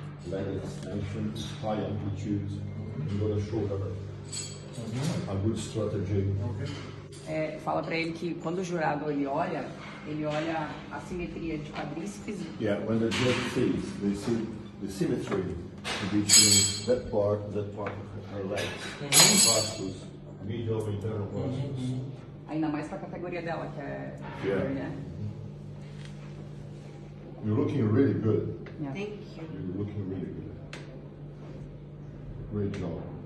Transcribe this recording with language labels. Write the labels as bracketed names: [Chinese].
[English] Leg extension, high amplitude, and go to shoulder. A good strategy. [Portuguese] É, fala para ele que quando o jurado ele olha a simetria de quadríceps. [English] Yeah, when the judge sees, they see the symmetry between that part of her legs, mm-hmm. vastus, medial of internal vastus. Mm-hmm. [Portuguese] Ainda mais para a categoria dela, que é... [English] Yeah. Né? You're looking really good. Yeah. Thank you. You're looking really good. Great job.